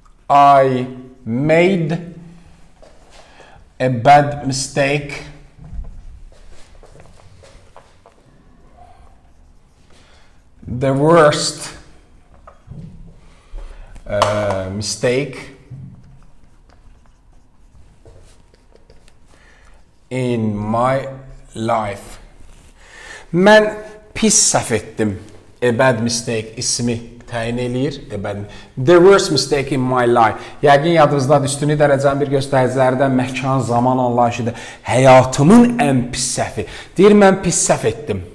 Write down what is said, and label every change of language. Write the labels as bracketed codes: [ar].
[en] I made a bad mistake the worst mistake in my life. [az] Mən pis səhv etdim. [en] A bad mistake [az] ismi təyin eləyir. [en] The worst mistake in my life. [az] Yəqin yadınızda üstünlük dərəcənin bir göstəriciləri də məkan, zaman anlayışıdır. Həyatımın ən pis səhvi. Deyir, mən pis səhv etdim.